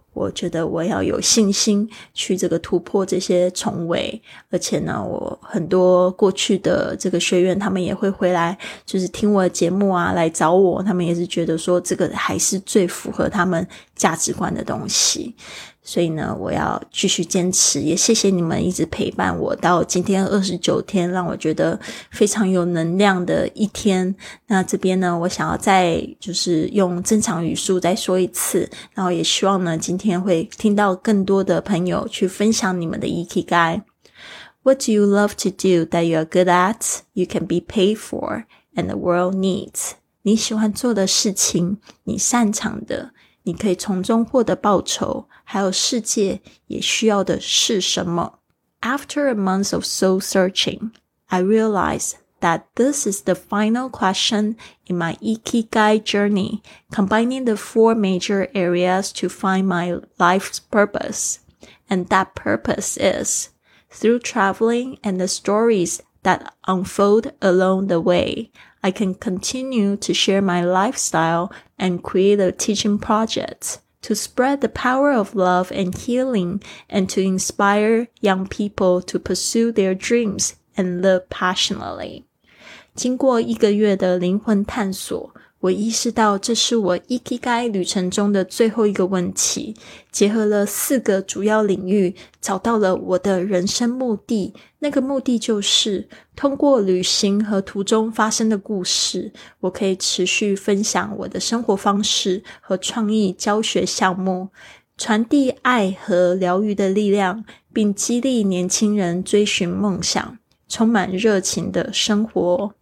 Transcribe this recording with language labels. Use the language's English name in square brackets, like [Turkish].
[Chinese] 我觉得我要有信心去这个突破这些重围，而且呢我很多过去的这个学员他们也会回来就是听我的节目啊来找我，他们也是觉得说这个还是最符合他们价值观的东西，所以呢我要继续坚持，也谢谢你们一直陪伴我到今天29天，让我觉得非常有能量的一天。那这边呢我想要再就是用正常语速再说一次，然后也希望呢今天会听到更多的朋友去分享你们的 Ikigai。 [English] What do you love to do that you are good at, you can be paid for, and the world needs? [Chinese] 你喜欢做的事情，你擅长的，你可以从中获得报酬，还有世界也需要的是什么？ [English] After a month of soul searching, I realized that this is the final question in my Ikigai journey, combining the 4 major areas to find my life's purpose. And that purpose is through traveling and the stories that unfold along the way. I can continue to share my lifestyle and create a teaching project to spread the power of love and healing and to inspire young people to pursue their dreams and live passionately. [Chinese] 经过一个月的灵魂探索，我意识到这是我 Ikigai 旅程中的最后一个问题，结合了四个主要领域，找到了我的人生目的。那个目的就是通过旅行和途中发生的故事，我可以持续分享我的生活方式和创意教学项目，传递爱和疗愈的力量，并激励年轻人追寻梦想，充满热情的生活。